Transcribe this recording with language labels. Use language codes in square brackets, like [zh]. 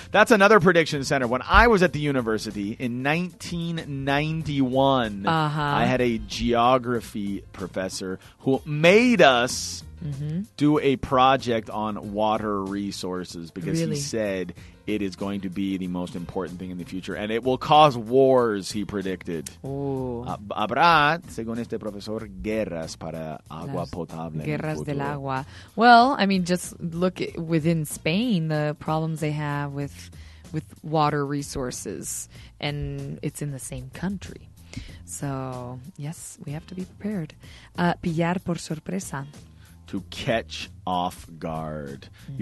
[en] That's another prediction, Sandra. When I was at the university in 1991, uh-huh. I had a geography professor who made us mm-hmm. do a project on water resources because really? He said it is going to be the most important thing in the future and it will cause wars, he predicted. [es] Habrá, según este profesor, guerras para agua potable. Guerras del agua. [en] Well, I mean, just look within Spain, the problems they have with water resources, and it's in the same country. So, yes, we have to be prepared. [es] Pillar por sorpresa. [en] To catch off guard. Mm-hmm.